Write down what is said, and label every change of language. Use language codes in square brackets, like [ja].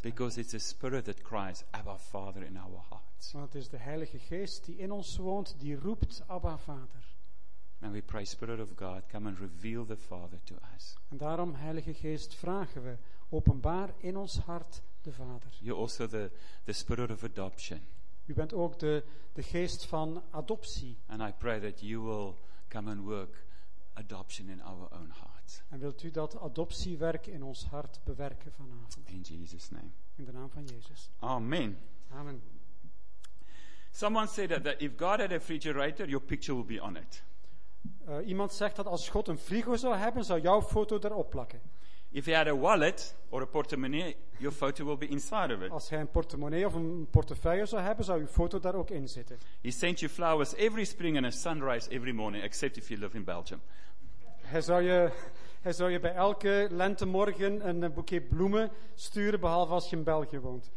[nl] werken. [en] Because it's the Spirit that cries, Abba Father, in our hearts. [nl] Want het is de Heilige Geest die in ons woont, die roept Abba Vader. [en] And we pray, Spirit of God, come and reveal the Father to us. [nl] En daarom, Heilige Geest, vragen we, openbaar in ons hart de Vader. [en] You're also the Spirit of adoption. [nl] U bent ook de geest van adoptie. [en] And I pray that you will come and work adoption in our own hearts. [nl] En wilt u dat adoptiewerk in ons hart bewerken vanavond? [en] In Jesus' name. [nl] In de naam van Jezus. [en] Amen. [nl] Amen. [en] Someone said that if God had a refrigerator, your picture would be on it. [nl] Iemand zegt dat als God een frigo zou hebben, zou jouw foto erop plakken. [en] If he had a wallet or a portemonnee, your photo will be inside of it. [nl] Als hij een portemonnee of een portefeuille zou hebben, zou uw foto daar ook in zitten. [en] He sent you flowers every spring and a sunrise every morning, except if you live in Belgium. [nl] Hij zou je bij elke lentemorgen een boeket bloemen sturen, behalve als je in België woont.